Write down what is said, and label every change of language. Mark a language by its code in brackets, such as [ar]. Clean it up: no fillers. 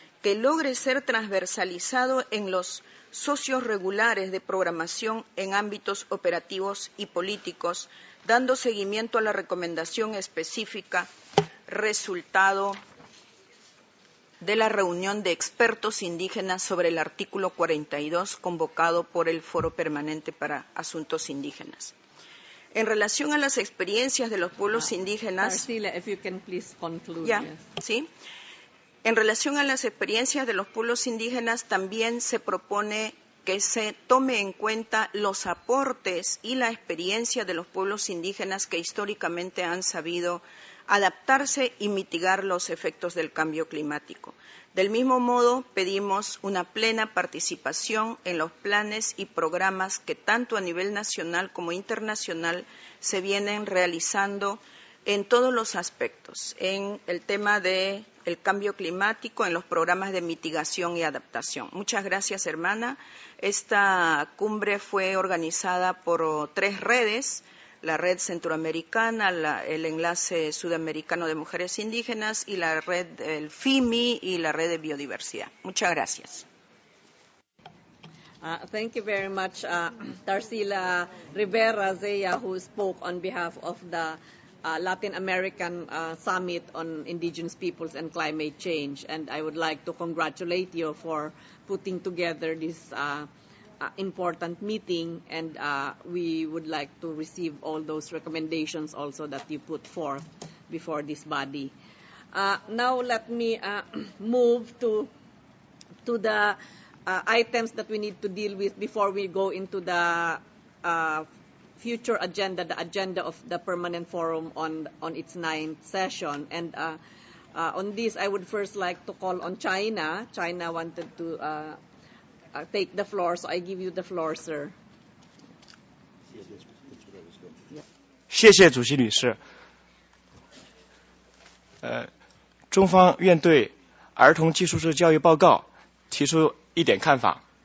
[es] que logre ser transversalizado en los socios regulares de programación en ámbitos operativos y políticos, dando seguimiento a la recomendación específica resultado de la reunión de expertos indígenas sobre el artículo 42 convocado por el Foro Permanente para Asuntos Indígenas. En relación a las experiencias de los pueblos indígenas, [en] Marcela, if you can please conclude, yeah, yes. [es] ¿Sí? En relación a las experiencias de los pueblos indígenas, también se propone que se tome en cuenta los aportes y la experiencia de los pueblos indígenas que históricamente han sabido adaptarse y mitigar los efectos del cambio climático. Del mismo modo, pedimos una plena participación en los planes y programas que tanto a nivel nacional como internacional se vienen realizando en todos los aspectos, en el tema del cambio climático, en los programas de mitigación y adaptación. Muchas gracias, hermana. Esta cumbre fue organizada por tres redes: la Red Centroamericana, el Enlace Sudamericano de Mujeres Indígenas y la Red el FIMI y la Red de Biodiversidad. Muchas gracias. [en] Thank you very much, Tarsila Rivera Zeya, who spoke on behalf of the Latin American Summit on Indigenous Peoples and Climate Change, and I would like to congratulate you for putting together this important meeting, and we would like to receive all those recommendations also that you put forth before this body. Now let me move to the items that we need to deal with before we go into the future agenda, the agenda of the permanent forum on its ninth session. And on this, I would first like to call on China. China wanted to take the floor, so I give you the floor, sir. [zh] 谢谢主席女士。中方院对儿童寄宿制教育报告提出一点看法。